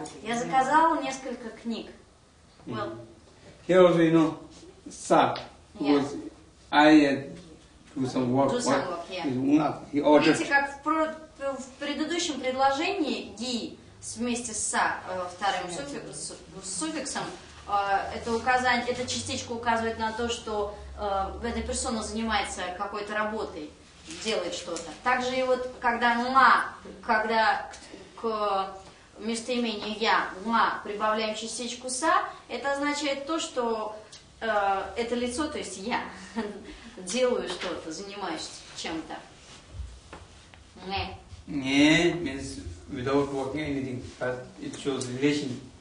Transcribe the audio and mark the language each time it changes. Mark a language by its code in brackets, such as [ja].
[ru] Я заказал несколько книг. [en] Here also, you know, sa, was I had do some work, yeah. He ordered. [ru] Видите, как в предыдущем предложении ги вместе с са вторым суффиксом, это указание, эта частичка указывает на то, что эта персона занимается какой-то работой. Делает что-то. Также и вот когда ма, когда к местоимению я ма прибавляем частичку са, это означает то, что это лицо, то есть я делаю что-то, занимаюсь чем-то. Не. [en] Nye means without working anything, but it shows relation.